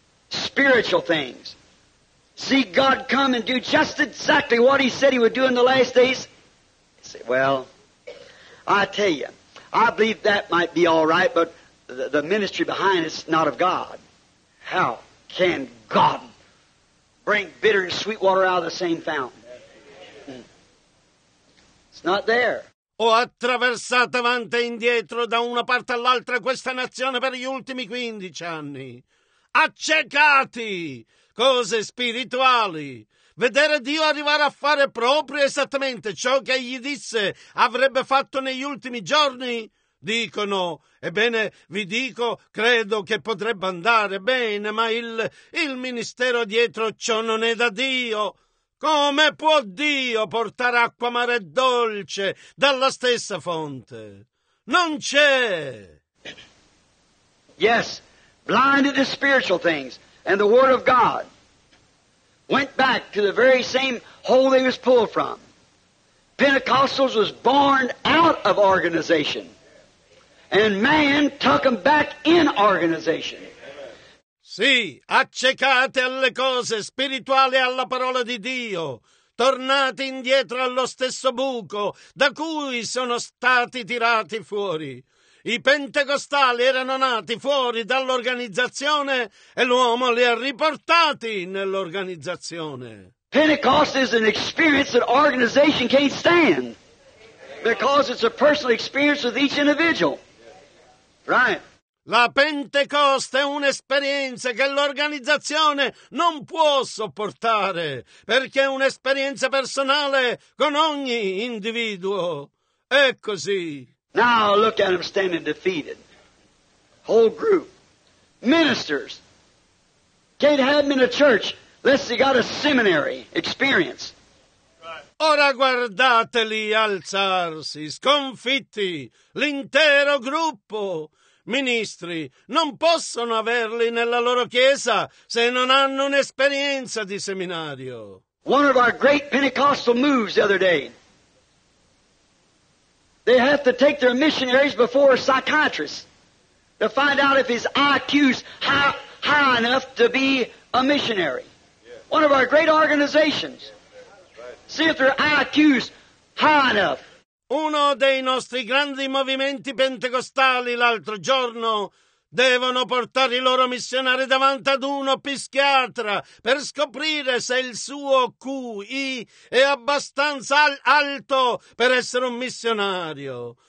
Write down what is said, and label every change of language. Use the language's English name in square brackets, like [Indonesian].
[English] Spiritual things. See God come and do just exactly what He said He would do in the last days. I say, well, I tell you, I believe that might be all right, but the ministry behind it's not of God. How can God bring bitter and sweet water out of the same fountain? Not there. [Italian] Ho attraversato avanti e indietro da una parte all'altra questa nazione per gli ultimi 15 anni. Accecati! Cose spirituali. Vedere Dio arrivare a fare proprio esattamente ciò che gli disse avrebbe fatto negli ultimi giorni? Dicono, ebbene vi dico, credo che potrebbe andare bene, ma il ministero dietro ciò non è da Dio. Come può Dio portare acqua amara e dolce dalla stessa fonte? Non c'è! [English] Yes, blinded to spiritual things, and the Word of God went back to the very same hole they was pulled from. Pentecostals was born out of organization, and man took them back in organization. [Italian] Sì, accecate alle cose spirituali e alla parola di Dio. Tornate indietro allo stesso buco da cui sono stati tirati fuori. I pentecostali erano nati fuori dall'organizzazione e l'uomo li ha riportati nell'organizzazione. [English] Pentecost is an experience that organization can't stand because it's a personal experience with each individual. Right. [Italian] La Pentecoste è un'esperienza che l'organizzazione non può sopportare, perché è un'esperienza personale con ogni individuo. È così. [English] Now look at them standing defeated. Whole group. Ministers. Can't have them in a church unless they got a seminary experience. [Italian] Ora guardateli alzarsi, sconfitti, l'intero gruppo. Ministri, non possono averli nella loro chiesa se non hanno un'esperienza di seminario. [English] One of our great Pentecostal moves the other day. They have to take their missionaries before a psychiatrist to find out if his IQ's high enough to be a missionary. One of our great organizations. See if their IQ's high enough. [Italian] Uno dei nostri grandi movimenti pentecostali l'altro giorno devono portare i loro missionari davanti ad uno psichiatra per scoprire se il suo QI è abbastanza alto per essere un missionario.